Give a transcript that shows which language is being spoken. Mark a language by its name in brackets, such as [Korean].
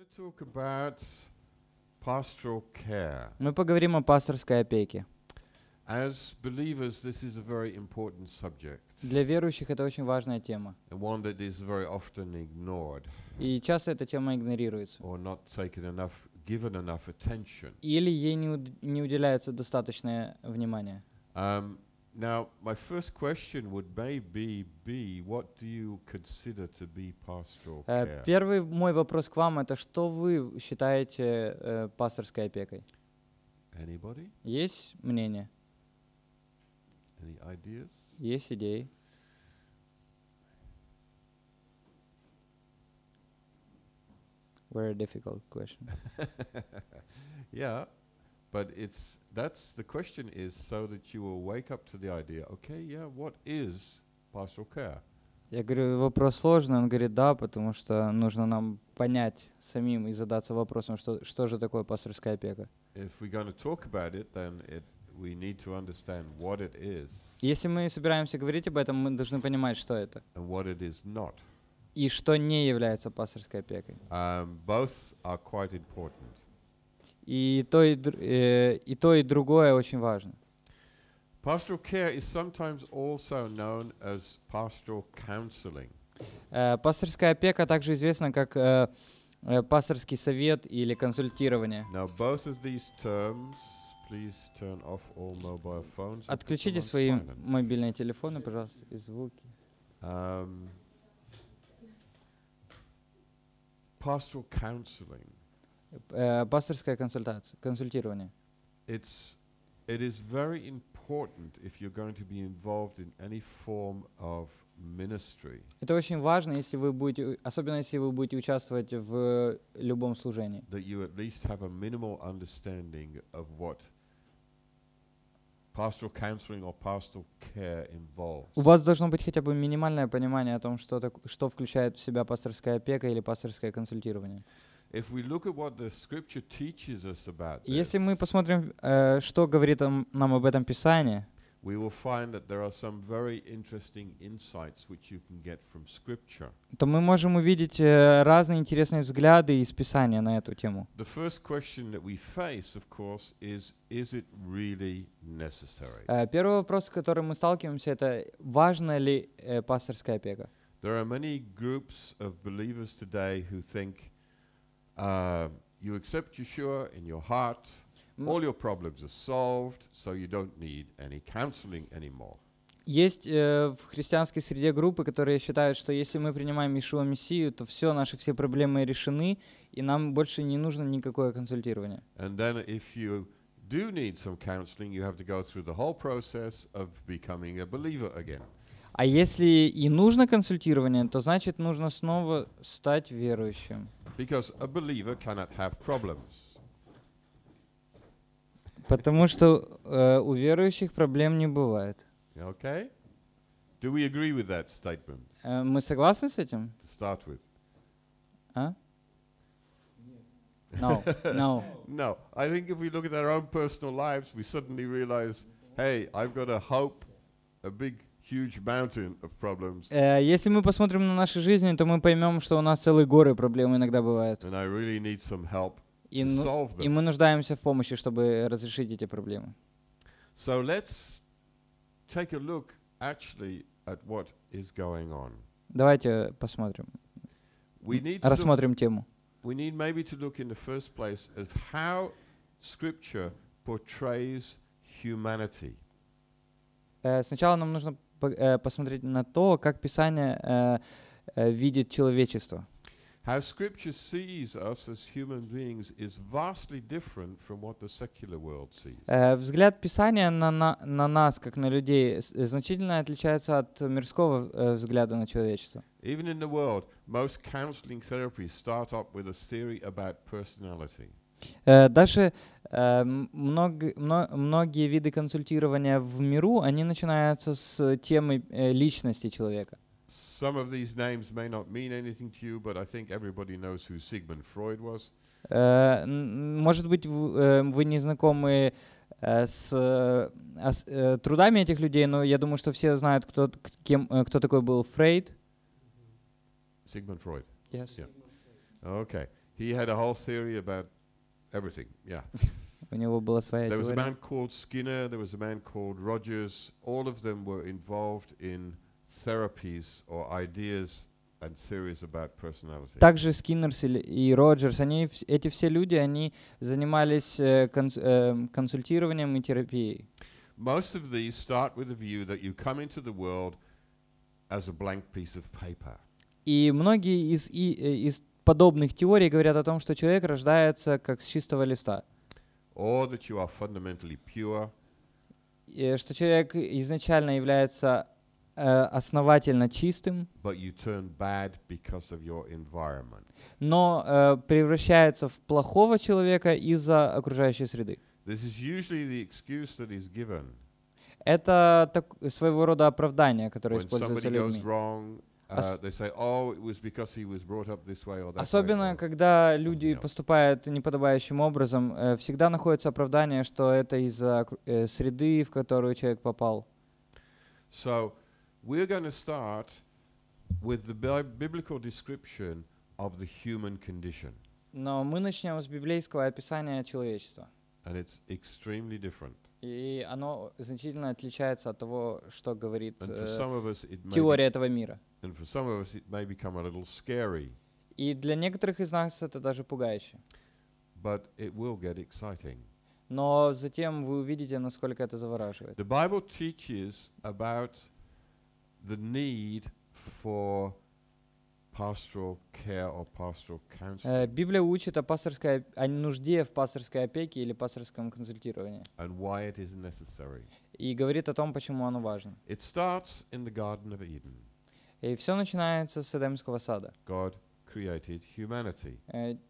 [English] talk about pastoral care. [Russian] Мы поговорим о пасторской опеке. [English] As believers, this is a very important subject. [Russian] Для верующих это очень важная тема. [English] One that is very often ignored. [Russian] И часто эта тема игнорируется. [English] Or not taken enough, given enough attention. [Russian] Или ей не уделяется достаточное внимание. [English] Now, my first question would maybe be, what do you consider to be pastoral care? [Russian] Первый мой вопрос к вам это, что вы считаете пасторской опекой? [English] Anybody? [Russian] Есть мнение? [English] Any ideas? [Russian] Есть идеи? [English] Very difficult question. Yeah. But that's the question is so that you will wake up to the idea, okay, yeah, what is pastoral care? [Russian] Я говорю, вопрос сложный, он говорит, да, потому что нужно нам понять самим и задаться вопросом, что же такое пасторская опека. [English] If we're going to talk about it, then we need to understand what it is. [Russian] Если мы собираемся говорить об этом, мы должны понимать, что это. [English] And what it is not. [Russian] И что не является пасторской опекой. [English] Both are quite important. [Russian] И то, и другое очень важно. [English] Pastoral care is sometimes also known as pastoral counseling. [Russian] Пасторская опека также известна как пасторский совет или консультирование. [English] Now both of these terms, please turn off all mobile phones. [Russian] Отключите свои мобильные телефоны, пожалуйста, и звуки. [English] Pastoral counseling. [Russian] Пасторская консультация, консультирование. [English] It is very important if you're going to be involved in any form of ministry. [Russian] Это очень важно, если вы будете, особенно если вы будете участвовать в любом служении. [English] That you at least have a minimal understanding of what pastoral counseling or pastoral care involves. [Russian] У вас должно быть хотя бы минимальное понимание о том, что включает в себя пасторская опека или пасторское консультирование. [English] If we look at what the scripture teaches us about this, [Russian] если мы посмотрим, что говорит нам об этом Писание, [English] we will find that there are some very interesting insights which you can get from scripture. [Russian] То мы можем увидеть разные интересные взгляды из Писания на эту тему. [English] The first question that we face, of course, is it really necessary? [Russian] Первый вопрос, с которым мы сталкиваемся, это важна ли пасторская опека? [English] There are many groups of believers today who think you accept Yeshua in your heart, all your problems are solved, so you don't need any counseling anymore. [Russian] Есть в христианской среде группы, которые считают, что если мы принимаем Иешуа Мессию, то все наши все проблемы решены, и нам больше не нужно никакое консультирование. [English] And then if you do need some counseling, you have to go through the whole process of becoming a believer again. [Russian] А если и нужно консультирование, то значит нужно снова стать верующим. [English] Because a believer cannot have problems. [Russian] Потому что у верующих проблем не бывает. [English] Okay. Do we agree with that statement? [Russian] Мы согласны с этим? [English] To start with. [Russian] А? [English] No. No. No. I think if we look at our own personal lives, we suddenly realize, hey, I've got a hope, a big huge mountain of problems. [Russian] Если мы посмотрим на наши жизни, то мы поймем, что у нас целые горы проблем иногда бывают. [English] And I really need some help to solve them. [Russian] И мы нуждаемся в помощи, чтобы разрешить эти проблемы. [English] So let's take a look actually at what is going on. [Russian] Давайте посмотрим. Рассмотрим тему. [English] We need maybe to look in the first place at how Scripture portrays humanity. [Russian] Сначала нам нужно посмотреть на то, как Писание видит человечество. [English] How Scripture sees us as human beings is vastly different from what the secular world sees. [Russian] Взгляд Писания на нас, как на людей, значительно отличается от мирского взгляда на человечество. [English] Even in the world, most counseling therapies start up with a theory about personality. [Russian] Даже многие виды консультирования в миру, они начинаются с темы личности человека. [English] Some of these names may not mean anything to you, but I think everybody knows who Sigmund Freud was. [Russian] Может быть, вы не знакомы с трудами этих людей, но я думаю, что все знают, кто такой был Фрейд. [English] Sigmund Freud. Yes. Yeah. Okay. He had a whole theory about everything. Yeah. [Russian] У него была своя теория. [English] There was a man called Skinner. There was a man called Rogers. All of them were involved in therapies or ideas and theories about personality. [Russian] Также Skinner и Rogers, они эти все люди, они занимались консультированием и терапией. [English] Most of these start with the view that you come into the world as a blank piece of paper. [Russian] И многие из подобных теорий говорят о том, что человек рождается как с чистого листа. [English] Or that you are fundamentally pure. [Russian] И что человек изначально является основательно чистым. [English] But you turn bad because of your environment. [Russian] Но превращается в плохого человека из-за окружающей среды. [English] This is usually the excuse that is given. [Russian] Это своего рода оправдание, которое используется людьми. [English] When somebody goes wrong, they say, oh, it was because he was brought up this way or that. [Russian] Особенно [English] way, or [Russian] когда люди поступают неподобающим образом, всегда находится оправдание, что это из-за среды, в которую человек попал. [English] So, we're going to start with the biblical description of the human condition. [Russian] Но мы начнем с библейского описания человечества. [English] And it's extremely different. [Russian] И оно значительно отличается от того, что говорит теория этого мира. [English] And for some of us it may become a little scary. [Russian] И для некоторых из нас это даже пугающе. [English] But it will get exciting. [Russian] Но затем вы увидите, насколько это завораживает. [English] The Bible teaches about the need for pastoral care or pastoral counseling. [Russian] Библия учит о пасторской нужде в пасторской опеке или пасторском консультировании. [English] And why it is necessary. [Russian] И говорит о том, почему оно важно. [English] It starts in the Garden of Eden. [Russian] И все начинается с Эдемского сада. [English] God created humanity.